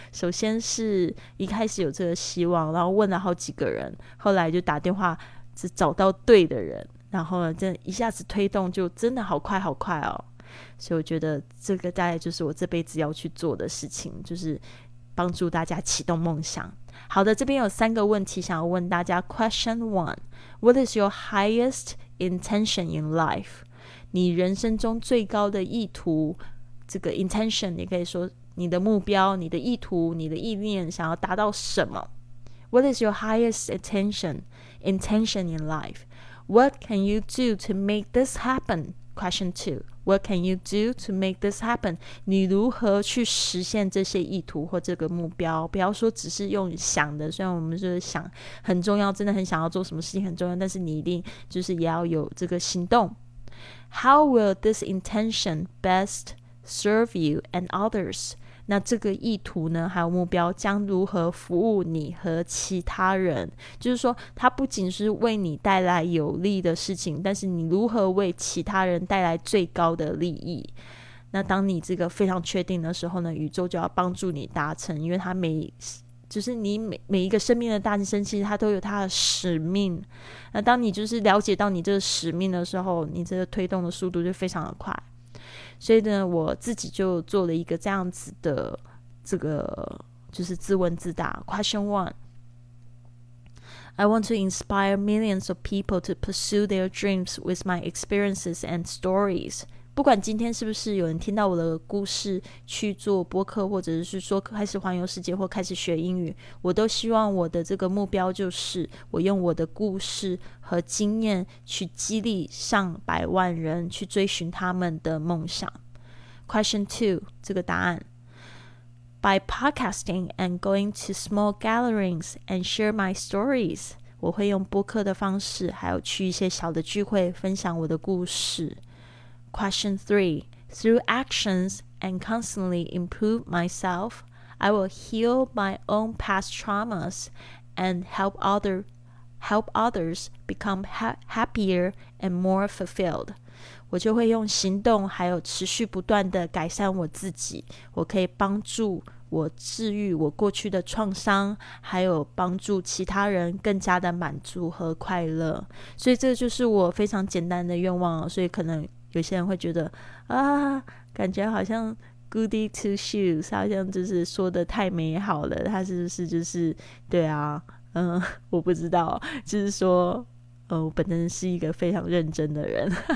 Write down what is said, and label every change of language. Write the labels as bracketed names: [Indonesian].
[Chinese] 首先是一开始有这个希望，然后问了好几个人，后来就打电话是找到对的人，然后呢这一下子推动就真的好快好快哦。所以我觉得这个大概就是我这辈子要去做的事情，就是帮助大家启动梦想。好的，这边有三个问题想要问大家。 [English] Question 1， What is your highest intention in life？ [Chinese] 你人生中最高的意图，这个 intention 你可以说你的目标，你的意图，你的意念想要达到什么。 [English] What is your highest intention in life? What can you do to make this happen? Question 2. What can you do to make this happen? [Chinese] 你如何去实现这些意图或这个目标？不要说只是用想的，虽然我们就是想很重要，真的很想要做什么事情很重要，但是你一定就是也要有这个行动。 [English] How will this intention best serve you and others? [Chinese] 那这个意图呢还有目标将如何服务你和其他人，就是说它不仅是为你带来有利的事情，但是你如何为其他人带来最高的利益。那当你这个非常确定的时候呢，宇宙就要帮助你达成，因为它每就是你 每一个生命的诞生其实它都有它的使命。那当你就是了解到你这个使命的时候，你这个推动的速度就非常的快。所以呢我自己就做了一个这样子的这个就是自问自答。 [English] Question 1， I want to inspire millions of people to pursue their dreams with my experiences and stories。 [Chinese] 不管今天是不是有人听到我的故事去做播客，或者是说开始环游世界或开始学英语，我都希望我的这个目标就是我用我的故事和经验去激励上百万人去追寻他们的梦想。 Question 2， 这个答案。 [English] By podcasting and going to small gatherings and share my stories， [Chinese] 我会用播客的方式，还有去一些小的聚会分享我的故事。 [English] Question 3 Through actions and constantly improve myself, I will heal my own past traumas and help others become happier and more fulfilled. [Chinese] 我就会用行动还有持续不断的改善我自己，我可以帮助我治愈我过去的创伤，还有帮助其他人更加的满足和快乐。所以这就是我非常简单的愿望，所以可能有些人会觉得啊，感觉好像 goody two shoes， 好像就是说的太美好了，他是不是就是对啊，我不知道，就是说我本身是一个非常认真的人